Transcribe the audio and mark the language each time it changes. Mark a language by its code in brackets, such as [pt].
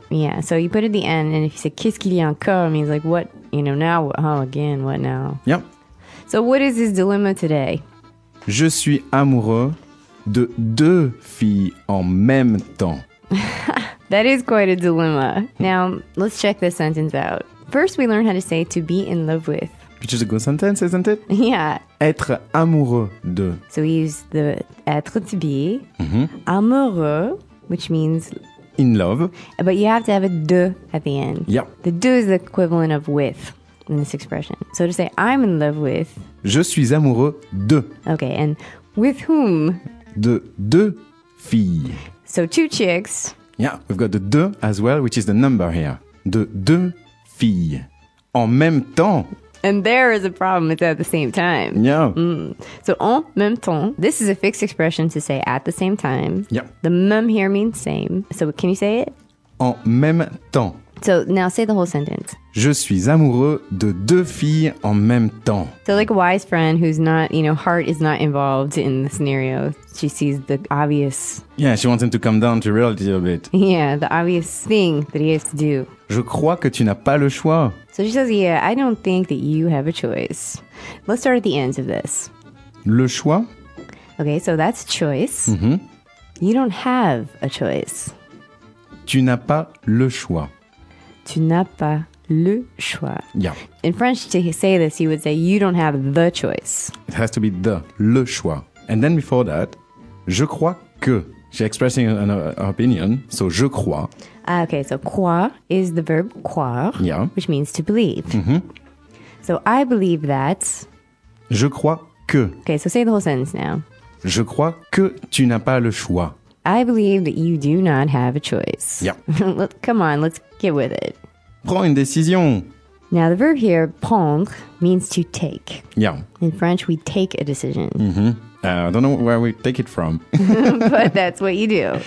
[en] Yeah. So you put it at the end, and if you say [fr] qu'est-ce qu'il y a encore, [en] it means like what, you know, now, oh, again, what now? Yeah. So what is his dilemma today? [fr] Je suis amoureux de deux filles en même temps. [en] That is quite a dilemma. Now, let's check this sentence out. First, we learn how to say to be in love with. Which is a good sentence, isn't it? Yeah. [fr] Être amoureux de. [en] So we use the être to be. Mm-hmm. Amoureux, which means... in love. But you have to have a de at the end. Yeah. The de is the equivalent of with in this expression. So to say I'm in love with... [fr] Je suis amoureux de. [en] Okay, and with whom? [fr] De deux filles. [en] So two chicks. Yeah, we've got the de as well, which is the number here. [fr] De deux filles. En même temps. [en] And there is a problem, it's at the same time. Yeah. Mm. So [fr] en même temps, [en] this is a fixed expression to say at the same time. Yeah. The même here means same. So can you say it? [fr] En même temps. [en] So now say the whole sentence. [fr] Je suis amoureux de deux filles en même temps. [en] So like a wise friend who's not, you know, heart is not involved in the scenario. She sees the obvious. Yeah, she wants him to come down to reality a bit. Yeah, the obvious thing that he has to do. [fr] Je crois que tu n'as pas le choix. [en] So she says, yeah, I don't think that you have a choice. Let's start at the end of this. [fr] Le choix. [en] Okay, so that's choice. Mm-hmm. You don't have a choice. [fr] Tu n'as pas le choix. Tu n'as pas le choix. [en] Yeah. In French, to say this, you would say, you don't have the choice. It has to be the, [fr] le choix. [en] And then before that, [fr] je crois que. [en] She's expressing an opinion, so [fr] je crois. [en] Okay, so croire is the verb croire, yeah. Which means to believe. Mm-hmm. So I believe that... [fr] Je crois que... [en] Okay, so say the whole sentence now. [fr] Je crois que tu n'as pas le choix. [en] I believe that you do not have a choice. Yeah. Come on, let's get with it. [fr] Prends une décision. [en] Now the verb here, prendre, means to take. Yeah. In French, we take a decision. Mm-hmm. I don't know where we take it from. But that's what you do.